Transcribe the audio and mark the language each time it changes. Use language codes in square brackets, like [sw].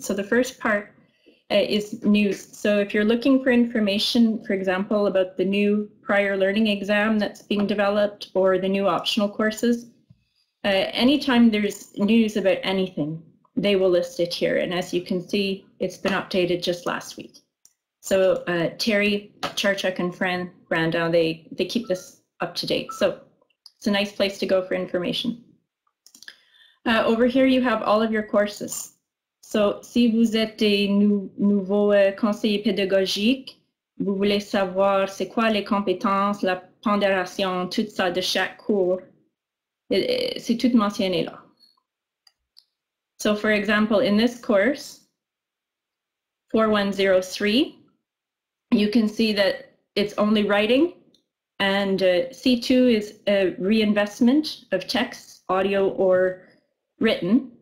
[en] So the first part is news. So if you're looking for information, for example, about the new prior learning exam that's being developed or the new optional courses, anytime there's news about anything, they will list it here. And as you can see, it's been updated just last week. So Terry, Charchuk, and Fran Grandin, they keep this up to date. So it's a nice place to go for information. Over here, you have all of your courses. [fr] So si vous êtes des nouveaux conseillers pédagogiques, vous voulez savoir c'est quoi les compétences, la pondération, tout ça de chaque cours, c'est tout mentionné là. [en] So for example, in this course, 4103, you can see that it's only writing, and C2 is a reinvestment of text, audio, or written.